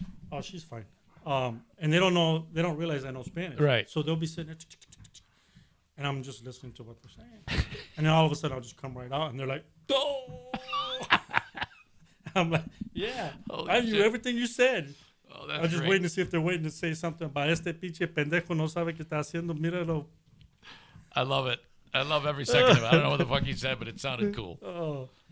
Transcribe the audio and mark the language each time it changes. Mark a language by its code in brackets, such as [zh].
[en] Oh, she's fine. And they don't realize I know Spanish. Right. So they'll be sitting there and I'm just listening to what they're saying. And then all of a sudden I'll just come right out and they're like, oh. I'm like, yeah, I knew everything you said. Oh, I'm just great. Waiting to see if they're waiting to say something. [es] Para este pinche pendejo no sabe que está haciendo. Míralo. [en] I love it. I love every second of it. I don't know what the fuck he said, but it sounded cool.